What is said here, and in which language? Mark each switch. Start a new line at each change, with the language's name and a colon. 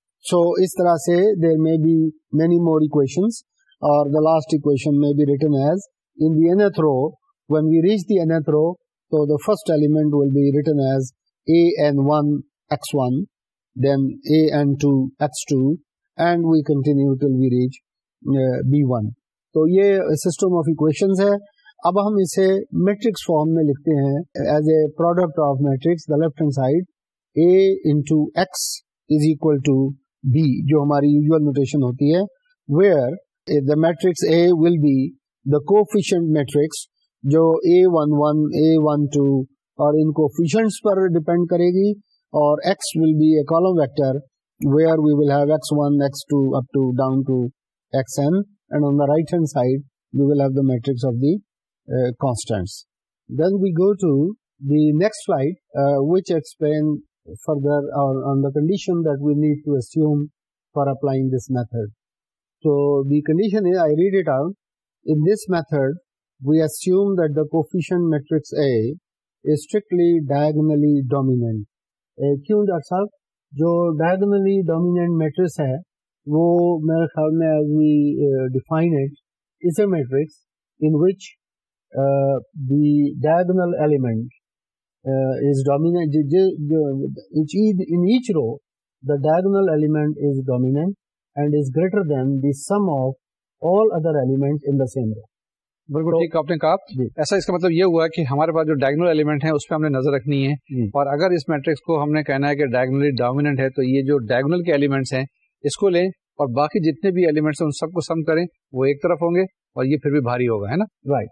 English: So اس طرح سے there may be many more equations, اور the last equation may be written as in the nth row when we reach the nth row تو the first element will be written as A N one X one then A N two X two and we continue till we reach B1.
Urdu: تو یہ system of equations ہے. اب ہم اسے matrix form میں لکھتے ہیں
English: As a product of matrix. The left hand side A into X is equal to B
Urdu: جو ہماری یوزول نوٹیشن ہوتی ہے,
English: Where the matrix A will be the coefficient matrix جو A one one A one two اور ان coefficients پر depend کرے گی, اور X will be a column vector where we will have x1, x2, up to, down to xn, and on the right-hand side, we will have the matrix of the constants. Then we go to the next slide, which explains further on the condition that we need to assume for applying this method. So, the condition is, I read it out, in this method, we assume that the coefficient matrix A is strictly diagonally dominant.
Urdu: Kyun darshal? جو diagonally dominant matrix ہے وہ میرے خیال میں
English: As we define it is a matrix in which the diagonal element is dominant. In each row the diagonal element is dominant and is greater than the sum of all other element in the same row.
Urdu: بالکل ٹھیک آپ نے کہا. ایسا اس کا مطلب یہ ہوا ہے کہ ہمارے پاس جو ڈائگنل ایلیمنٹ ہے اس پہ ہم نے نظر رکھنی ہے, اور اگر اس میٹرکس کو ہم نے کہنا ہے کہ ڈائگنلی ڈومیننٹ ہے تو یہ جو ڈائگنل کے ایلیمنٹس ہیں اس کو لیں اور باقی جتنے بھی ایلیمنٹس ہیں ان سب کو سم کریں وہ ایک طرف ہوں گے اور یہ پھر بھی بھاری ہوگا, ہے نا؟
English: right,